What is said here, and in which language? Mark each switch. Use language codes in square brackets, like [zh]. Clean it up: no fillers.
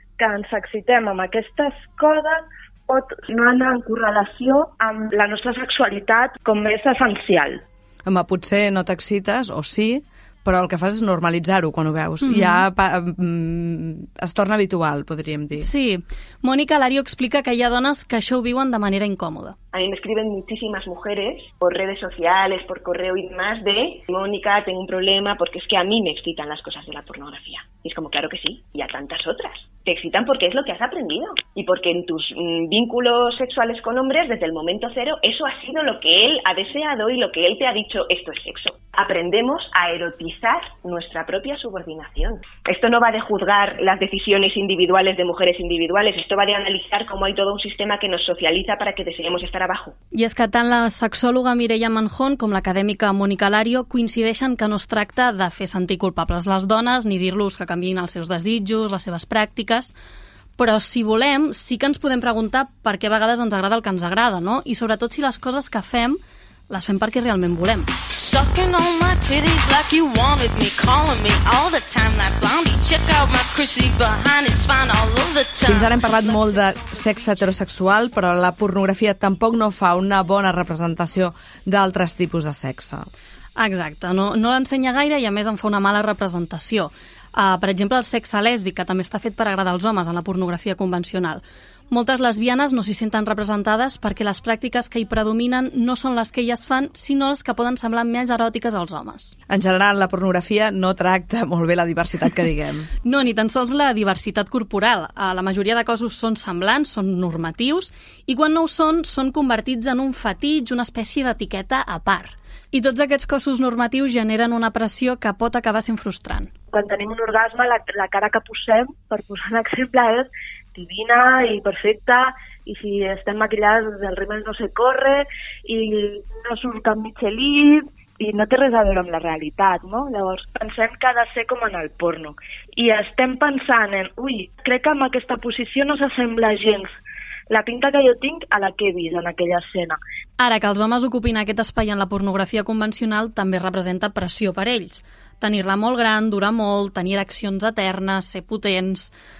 [ca] Que ens excitem amb aquestes coses pot no anar en correlació amb la nostra sexualitat com és essencial. Home, potser no t'excites, o sí, però el que fas és normalitzar-ho quan ho veus. Mm-hmm. Ja es torna habitual, podríem dir. Sí. Mònica Lario explica que hi ha dones que això ho viuen de manera incòmoda. [es] A mí me escriben muchísimas mujeres por redes sociales, por correo y demás de Mónica, tengo un problema porque es que a mí me excitan las cosas de la pornografía. Y es como, claro que sí, y a tantas otras. Te excitan porque es lo que has aprendido y porque en tus vínculos sexuales con hombres, desde el momento cero, eso ha sido lo que él ha deseado y lo que él te ha dicho, esto es sexo. Aprendemos a erotizar nuestra propia subordinación. Esto no va de juzgar las decisiones individuales de mujeres individuales, esto va de analizar cómo hay todo un sistema que nos socializa para que deseemos estar abajo. [ca] I és que tant la sexòloga Mireia Manjón com l'acadèmica Mònica Lario coincideixen que no es tracta de fer sentir culpables les dones ni dir-los que canviïn els seus desitjos, les seves pràctiques, però si volem, sí que ens podem preguntar per què a vegades ens agrada el que ens agrada, no? I sobretot si les coses que fem Les fem perquè realment volem. [en] Sucking on my titties like you wanted me, calling me all the time like Blondie, check out my Chrissy behind, it's fine all of the time. [ca] Fins ara hem parlat molt de sexe heterosexual, però la pornografia tampoc no fa una bona representació d'altres tipus de sexe. Exacte, no l'ensenya gaire i a més en fa una mala representació. Per exemple, el sexe lèsbic, que també està fet per agradar als homes en la pornografia convencional. Moltes lesbianes no s'hi senten representades perquè les pràctiques que hi predominen no són les que elles fan, sinó les que poden semblar més eròtiques als homes. En general, la pornografia no tracta molt bé la diversitat, que diguem. No, ni tan sols la diversitat corporal. La majoria de cossos són semblants, són normatius, i quan no ho són, són convertits en un fetitx, una espècie d'etiqueta a part. I tots aquests cossos normatius generen una pressió que pot acabar sent frustrant. Quan tenim un orgasme, la cara que posem, per posar un exemple, és divina i perfecta, i si estem maquillades el rímel no se corre, i no surt amb Michelin, i no té res a veure amb la realitat, no? Llavors pensem que ha de ser com en el porno. I estem pensant en, ui, crec que amb aquesta posició no s'assembla gens la pinta que jo tinc a la que he vist en aquella escena. Ara que els homes ocupin aquest espai en la pornografia convencional també representa pressió per ells. Tenir-la molt gran, durar molt, tenir accions eternes, ser potents...